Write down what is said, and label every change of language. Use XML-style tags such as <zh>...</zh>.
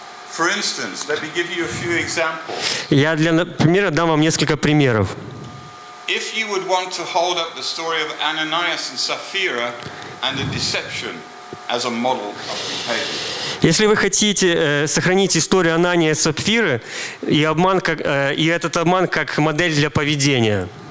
<en>For instance, let me give you a few examples.</en> <ru>Я для примера дам вам несколько примеров.</ru> <en>If you would want to hold up the story of Ananias and Sapphira and the deception as a model of behavior.</en> <ru>Если вы хотите сохранить историю Анании и Сапфиры и обман как и этот обман как модель для поведения.</ru>